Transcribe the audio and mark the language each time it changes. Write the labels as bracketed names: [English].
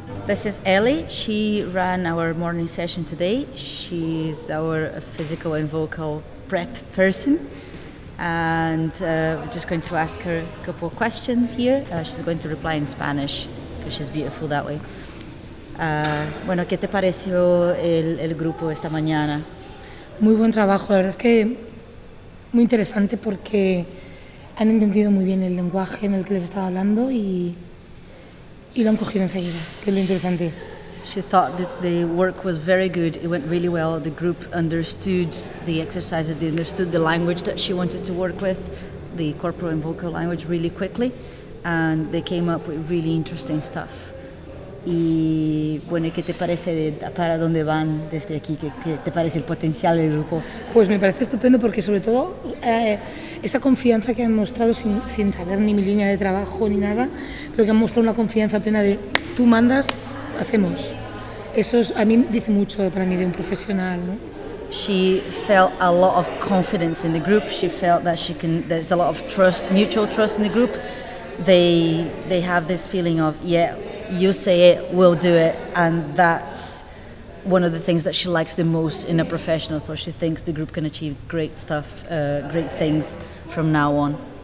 [English] This is Ellie. She ran our morning session today. She's our physical and vocal prep person. And we're just going to ask her a couple of questions here. She's going to reply in Spanish, because she's beautiful that way. [Spanish] Bueno, ¿qué te pareció el grupo esta mañana? Muy buen trabajo. La verdad es que muy interesante porque han entendido muy bien el lenguaje en el que les estaba hablando y lo han cogido enseguida, que es lo interesante. [English] She thought that the work was very good, it went really well, the group understood the exercises, they understood the language that she wanted to work with, the corporal and vocal language, really quickly, and they came up with really interesting stuff. [Spanish] Y bueno, ¿qué te parece para dónde van desde aquí? ¿Qué te parece el potencial del grupo? Pues me parece estupendo porque sobre todo esa confianza que han mostrado sin saber ni mi línea de trabajo ni nada, pero que han mostrado una confianza plena de tú mandas, hacemos. Eso es, a mí dice mucho para mí de un profesional, ¿no? [English] She felt a lot of confidence in the group. She felt that she can, there's a lot of trust, mutual trust in the group. They have this feeling of, yeah, you say it, we'll do it, and that's one of the things that she likes the most in a professional, so she thinks the group can achieve great stuff, great things from now on.